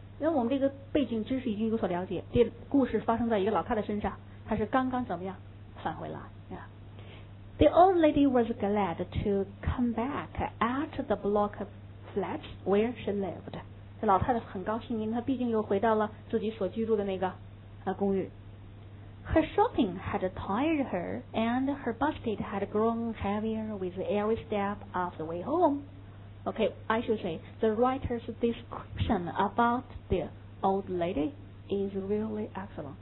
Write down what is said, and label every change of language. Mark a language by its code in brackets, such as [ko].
[zh] 因为我们这个背景知识已经有所了解，这故事发生在一个老太太身上，她是刚刚怎么样返回来、yeah. [en] The old lady was glad to come back at the block of flats where she lived. [zh] 这老太太很高兴，因为她毕竟又回到了自己所居住的那个公寓。 [en] Her shopping had tired her and her basket had grown heavier with every step of the way home. Okay, I should say, the writer's description about the old lady is really excellent.